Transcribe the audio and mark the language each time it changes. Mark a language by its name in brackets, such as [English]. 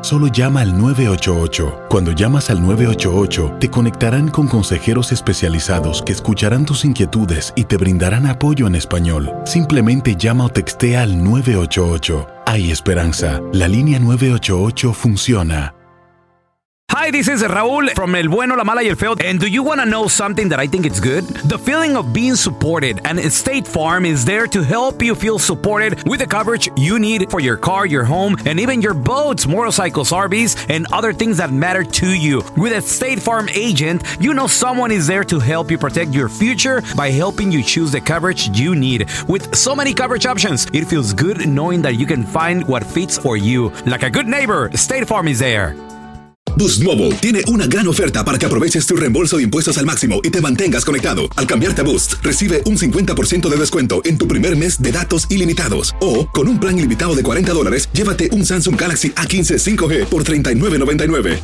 [Spanish] Solo llama al 988. Cuando llamas al 988, te conectarán con consejeros especializados que escucharán tus inquietudes y te brindarán apoyo en español. Simplemente llama o textea al 988. Hay esperanza. La línea 988 funciona. [English] Hi, this is Raúl from El Bueno, La Mala y El Feo. And do you want to know something that I think is good? The feeling of being supported, and State Farm is there to help you feel supported with the coverage you need for your car, your home, and even your boats, motorcycles, RVs, and other things that matter to you. With a State Farm agent, you know someone is there to help you protect your future by helping you choose the coverage you need. With so many coverage options, it feels good knowing that you can find what fits for you. Like a good neighbor, State Farm is there. [Spanish] Boost Mobile tiene una gran oferta para que aproveches tu reembolso de impuestos al máximo y te mantengas conectado. Al cambiarte a Boost, recibe un 50% de descuento en tu primer mes de datos ilimitados. O, con un plan ilimitado de $40, llévate un Samsung Galaxy A15 5G por $39.99.